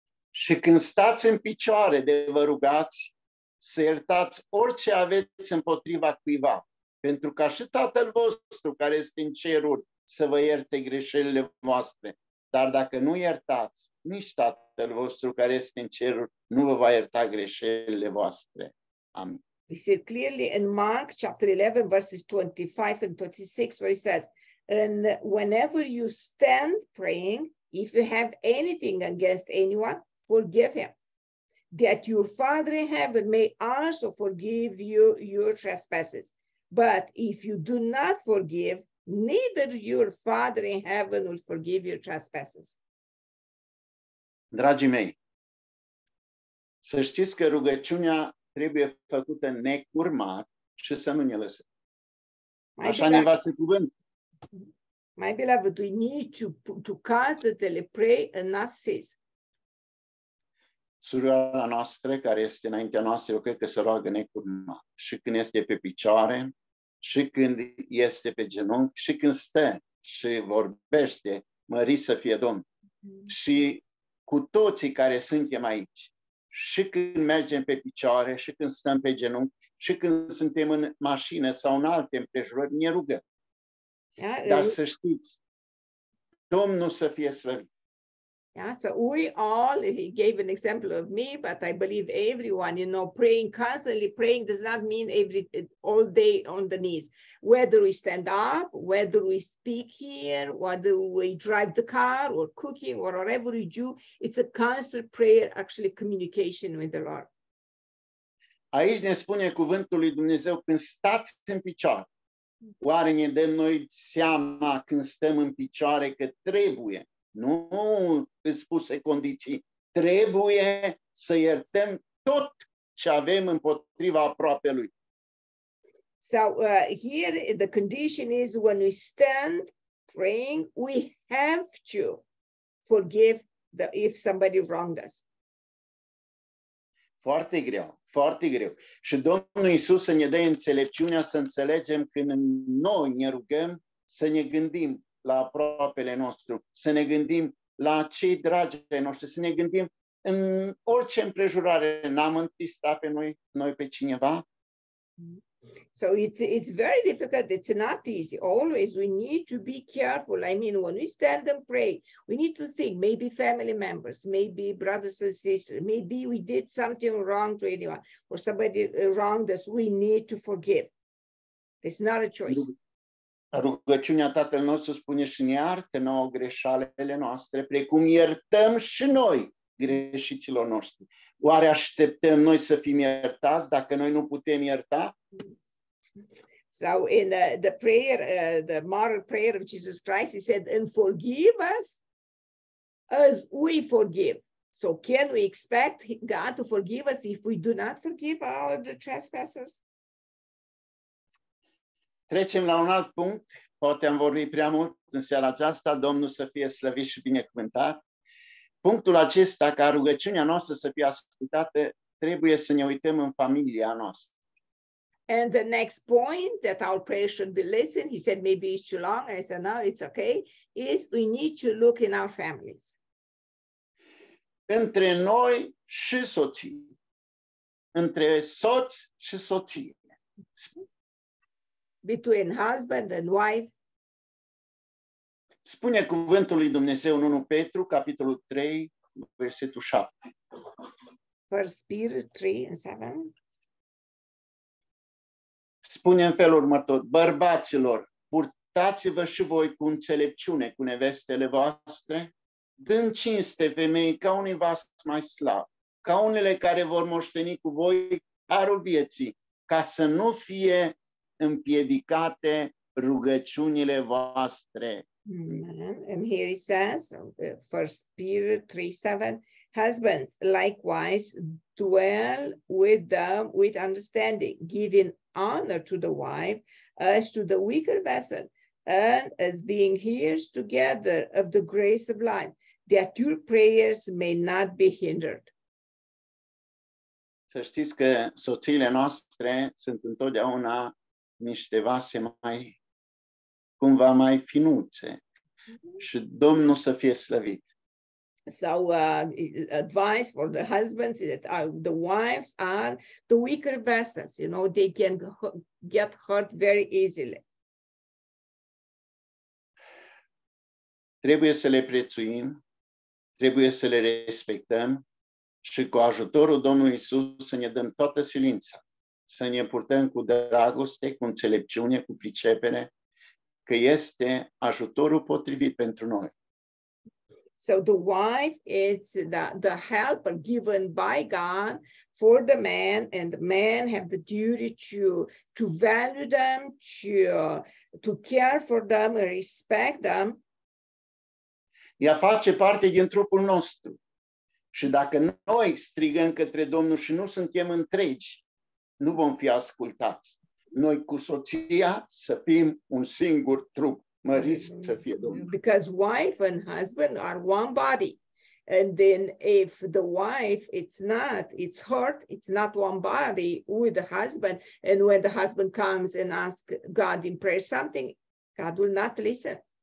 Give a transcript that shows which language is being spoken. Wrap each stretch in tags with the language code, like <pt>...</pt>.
<ro>Și când stați în picioare de vă rugați, să iertați orice aveți împotriva cuiva, pentru ca și Tatăl vostru care este în ceruri să vă ierte greșelile voastre. Dar dacă nu iertați, nici Tatăl vostru care este în ceruri nu vă va ierta greșelile voastre. Amin.</ro> <en>We see clearly in Mark chapter 11 verses 25 and 26 where it says, and whenever you stand praying, if you have anything against anyone, forgive him, that your Father in heaven may also forgive you your trespasses. But if you do not forgive, neither your Father in heaven will forgive your trespasses.</en> <ro>Dragii mei, să știți că rugăciunea trebuie făcută necurmat și să nu ne lăsăm. Așa ne învață cuvântul.</ro> <en>My beloved, we need to constantly pray and not cease.</en> <ro>Surioara noastră, care este înaintea noastră, eu cred că se roagă necurmat. Și când este pe picioare, și când este pe genunchi, și când stă și vorbește, mărit să fie Domn. Și cu toții care suntem aici, și când mergem pe picioare, și când stăm pe genunchi, și când suntem în mașină sau în alte împrejurări, ne rugăm. Dar să știți, Domnul să fie slăvit.</ro> <en>Yeah, so we all, he gave an example of me, but I believe everyone, you know, praying, constantly praying does not mean every all day on the knees. Whether we stand up, whether we speak here, whether we drive the car or cooking or whatever we do, it's a constant prayer, actually communication with the Lord.</en> <ro>Aici ne spune cuvântul lui Dumnezeu, când stați în picioare, oare ne dăm noi seama când stăm în picioare că trebuie? Nu spuse condiții. Trebuie să iertăm tot ce avem împotriva aproape lui.</ro> <en>So here the condition is when we stand praying, we have to forgive the if somebody wronged us.</en> <ro>Foarte greu, foarte greu. Și Domnul Iisus să ne dea înțelepciunea să înțelegem când noi ne rugăm să ne gândim la aproapele nostru, să ne gândim la cei dragi ai noștri, să ne gândim în orice împrejurare n-am întristat pe noi pe cineva.</ro> <en>So it's very difficult, it's not easy. Always we need to be careful. I mean, when we stand and pray, we need to think, maybe family members, maybe brothers and sisters, maybe we did something wrong to anyone, or somebody wronged us, we need to forgive. It's not a choice.</en> <ro>Rugăciunea Tatăl nostru spune și ne iartă nouă greșalele noastre, precum iertăm și noi greșiților noștri. Oare așteptăm noi să fim iertați dacă noi nu putem ierta?</ro> <en>So in the prayer, the model prayer of Jesus Christ, he said, and forgive us as we forgive. So can we expect God to forgive us if we do not forgive our trespassers?</en> <ro>Trecem la un alt punct, poate am vorbit prea mult în seara aceasta, Domnul să fie slăvit și binecuvântat. Punctul acesta, ca rugăciunea noastră să fie ascultată, trebuie să ne uităm în familia noastră.</ro> <en>And the next point, that our prayer should be listened, he said maybe it's too long, I said no, it's okay, is we need to look in our families.</en> <ro>Între noi și soții. Între soț și soție.</ro> <en>Between husband and wife.</en> <ro>Spune cuvântul lui Dumnezeu în 1 Petru, capitolul 3, versetul 7.</ro> <en>First Peter 3 and 7.</en> <ro>spune în felul următor: bărbaților, purtați-vă și voi cu înțelepciune cu nevestele voastre, dând cinste femeii ca unui vas mai slab, ca unele care vor moșteni cu voi harul vieții, ca să nu fie împiedicate rugăciunile voastre.</ro> <en>And here he says, First Peter 3:7, husbands, likewise, dwell with them with understanding, giving honor to the wife as to the weaker vessel, and as being heirs together of the grace of life, that your prayers may not be hindered.</en> <ro>Să știți că soțiile noastre sunt întotdeauna niște vase mai, cumva mai finuțe. Și Domnul să fie slăvit.</ro> <en>So, advice for the husbands is that the wives are the weaker vessels. You know, they can get hurt very easily.</en> <ro>Trebuie să le prețuim, trebuie să le respectăm și cu ajutorul Domnului Iisus să ne dăm toată silința, să ne purtăm cu dragoste, cu înțelepciune, cu pricepere, că este ajutorul potrivit pentru noi.</ro> <en>So the wife is the helper given by God for the man, and the man have the duty to value them, to care for them, respect them.</en> <ro>Ea face parte din trupul nostru. Și dacă noi strigăm către Domnul și nu suntem întregi, nu vom fi ascultați. Noi cu soția să fim un singur trup, măriți să fie Domnul.</ro> <en>Because wife and husband are one body. And then if the wife, it's not one body with the husband, and when the husband comes and asks God in prayer something, God will not listen.</en>